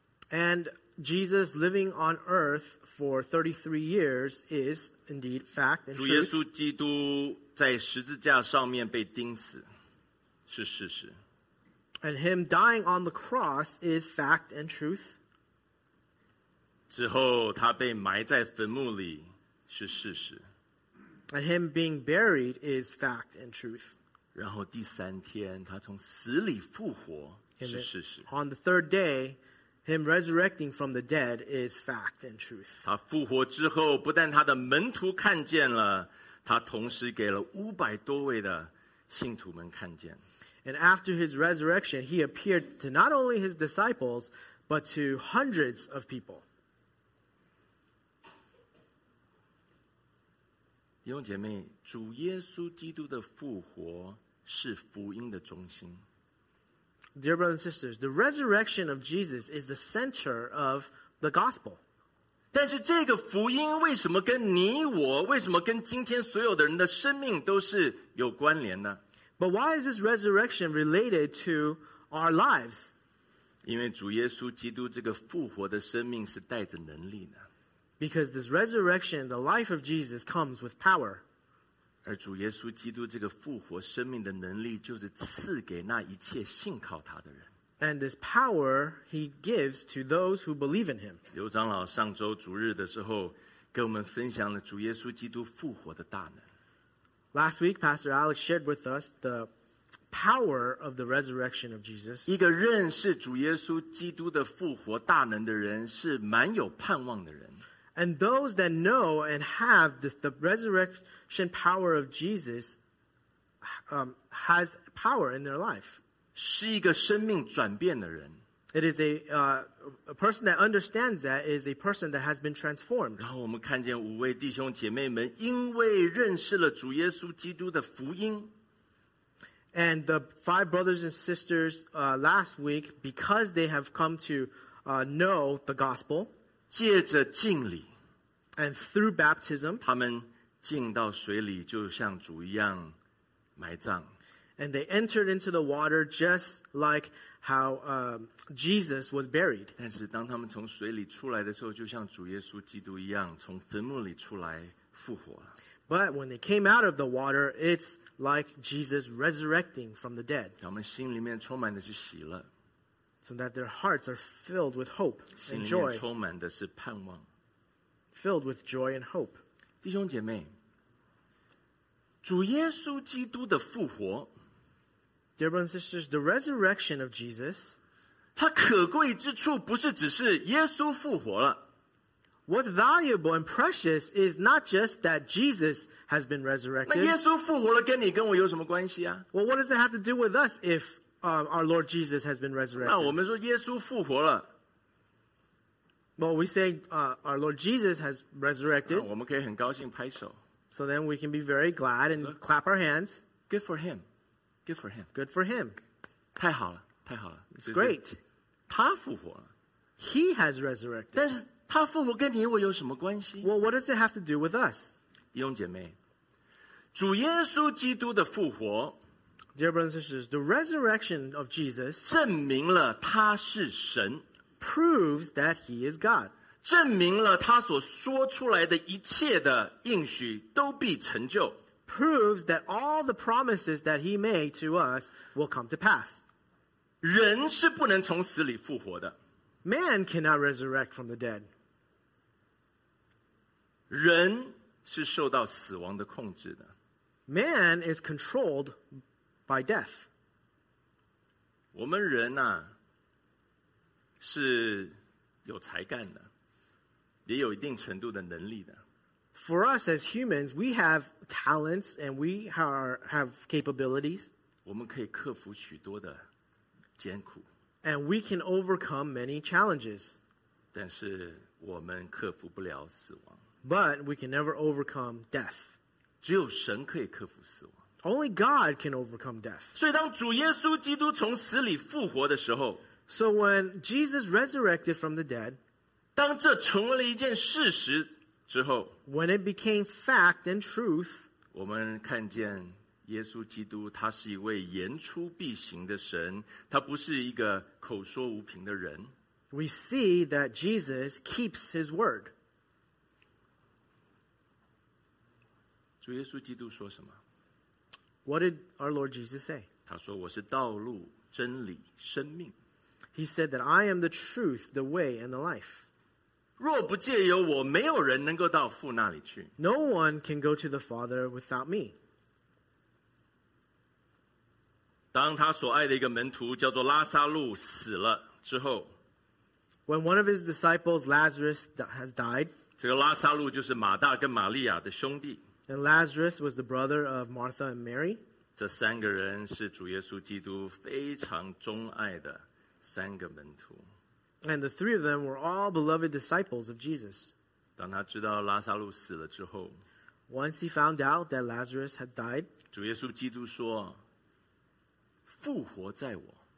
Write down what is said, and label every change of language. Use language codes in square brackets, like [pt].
[en] And Jesus living on earth for 33 years is indeed fact and truth. [zh] 主耶稣基督在十字架上面被钉死是事实。 [en] And him dying on the cross is fact and truth. [zh] 之后他被埋在坟墓里是事实。 [en] And him being buried is fact and truth. [zh] 然后第三天他从死里复活是事实。 [en] On the third day, him resurrecting from the dead is fact and truth. [zh] 他复活之后不但他的门徒看见了他同时给了五百多位的信徒们看见。 [en] And after his resurrection, he appeared to not only his disciples, but to hundreds of people. [zh] 弟兄姐妹，主耶稣基督的复活是福音的中心。 [en] Dear brothers and sisters, the resurrection of Jesus is the center of the gospel. [zh] 但是这个福音为什么跟你我，为什么跟今天所有的人的生命都是有关联呢？ [en] But why is this resurrection related to our lives? [zh] 因为主耶稣基督这个复活的生命是带着能力的。 [en] Because this resurrection, the life of Jesus, comes with power. [zh] 而主耶稣基督这个复活生命的能力就是赐给那一切信靠他的人。 [en] And this power he gives to those who believe in him. [zh] 刘长老上周主日的时候跟我们分享了主耶稣基督复活的大能。 [en] Last week, Pastor Alex shared with us the power of the resurrection of Jesus. [zh] 一个认识主耶稣基督的复活大能的人是蛮有盼望的人。 [en] And those that know and have the resurrection power of Jesus has power in their life. [zh] 是一个生命转变的人。 [en] It is a person that understands that is a person that has been transformed. [zh] 然后我们看见五位弟兄姐妹们因为认识了主耶稣基督的福音。 [en] And the five brothers and sisters last week, because they have come to know the gospel, [zh] 借着浸礼 [en] and through baptism, [zh] 他们浸到水里就像主一样埋葬 [en] and they entered into the water just like how Jesus was buried. [zh] 但是当他们从水里出来的时候就像主耶稣基督一样从坟墓里出来复活了 [en] But when they came out of the water, it's like Jesus resurrecting from the dead. [zh] 他们心里面充满的是喜乐 [en] So that their hearts are filled with hope and joy. [zh] 心里面充满的是盼望。 [en] Filled with joy and hope. [zh] 弟兄姐妹，主耶稣基督的复活。 [en] Dear brothers and sisters, the resurrection of Jesus. [zh] 它可贵之处不是只是耶稣复活了。 [en] What's valuable and precious is not just that Jesus has been resurrected. [zh] 那耶稣复活了跟你跟我有什么关系啊？ [en] Well, what does it have to do with us if... our Lord Jesus has been resurrected. [zh] 那我们说耶稣复活了。 [en] Well, we say our Lord Jesus has resurrected. [zh] 我们可以很高兴拍手。 [en] So then we can be very glad and clap our hands. Good for him. Good for him. Good for him. [zh] 太好了，太好了。 [en] It's great. [zh] 他复活了。 [en] He has resurrected. [zh] 但是他复活跟你我有什么关系？ [en] Well, what does it have to do with us? [zh] 弟兄姐妹，主耶稣基督的复活 [en] Dear brothers and sisters, the resurrection of Jesus [zh] 证明了他是神 [en] proves that he is God. [zh] 证明了他所说出来的一切的应许都必成就 [en] proves that all the promises that he made to us will come to pass. [zh] 人是不能从死里复活的。 [en] Man cannot resurrect from the dead. [zh] 人是受到死亡的控制的。 [en] Man is controlled by death. [zh] 我们人啊，是有才干的，也有一定程度的能力的。 [en] For us as humans, we have talents and we have capabilities. [zh] 我们可以克服许多的艰苦。 [en] And we can overcome many challenges. [zh] 但是我们克服不了死亡。 [en] But we can never overcome death. [zh] 只有神可以克服死亡。 [en] Only God can overcome death. [zh] 所以当主耶稣基督从死里复活的时候， [en] So when Jesus resurrected from the dead, [zh] 当这成为了一件事实之后， [en] When it became fact and truth, [zh] 我们看见耶稣基督他是一位言出必行的神，他不是一个口说无凭的人。 [en] We see that Jesus keeps his word. [zh] 主耶稣基督说什么？ [en] What did our Lord Jesus say? [zh] 他说我是道路、真理、生命。 [en] He said that I am the truth, the way, and the life. [zh] 若不借由我，没有人能够到父那里去。 [en] No one can go to the Father without me. [zh] 当他所爱的一个门徒叫做拉撒路死了之后， [en] When one of his disciples, Lazarus, has died, [zh] 这个拉撒路就是马大跟玛利亚的兄弟。 [en] And Lazarus was the brother of Martha and Mary. [zh] 这三个人是主耶稣基督非常钟爱的三个门徒。 [en] And the three of them were all beloved disciples of Jesus. [zh] 当他知道拉撒路死了之后， [en] Once he found out that Lazarus had died, [zh] 主耶稣基督说，复活在我。